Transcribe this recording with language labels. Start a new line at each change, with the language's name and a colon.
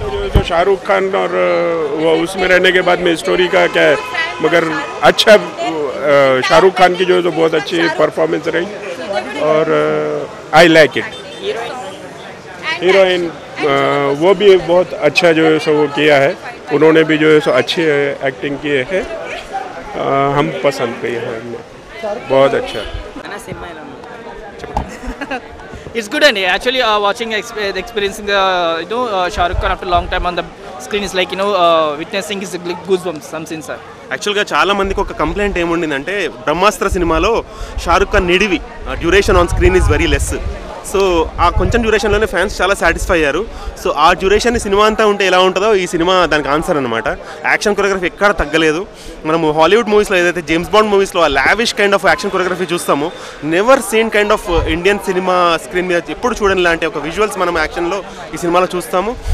Hindi: जो शाहरुख खान और वो उसमें रहने के बाद में स्टोरी का क्या है, मगर अच्छा शाहरुख खान की जो है तो बहुत अच्छी परफॉर्मेंस रही और
English: I like it.
Hindi: हीरोइन वो भी बहुत अच्छा जो है सो वो किया है, उन्होंने भी जो है सो अच्छे एक्टिंग किए हैं, हम पसंद किए हैं, हमने बहुत अच्छा।
English: It's good and actually watching the experience in the you know Shahrukh Khan after long time on the screen is like you know witnessing is like goosebumps some scene sir.
Telugu: యాక్చువల్గా చాలామందికి ఒక కంప్లైంట్ ఏముండిందంటే బ్రహ్మాస్త్ర సినిమాలో షారుఖ్ ఖాన్ నిడివి duration
English: On screen is very less.
Telugu: So ఆ కొంచెం డ్యూరేషన్లోనే fans చాలా satisfy అయ్యారు. So ఆ డ్యూరేషన్ సినిమా అంతా ఉంటే ఎలా ఉంటుందో ఈ సినిమా దానికి ఆన్సర్ అనమాట. యాక్షన్ కొరియోగ్రఫీ ఎక్కడ తగ్గలేదు. మనం హాలీవుడ్ మూవీస్లో ఏదైతే జేమ్స్ బాండ్ మూవీస్లో ఆ
English: lavish kind of action choreography
Telugu: చూస్తామో,
English: never seen kind of Indian cinema
Telugu: screen మీద ఎప్పుడు చూడని లాంటి ఒక విజువల్స్ మనం యాక్షన్లో ఈ సినిమాలో చూస్తాము.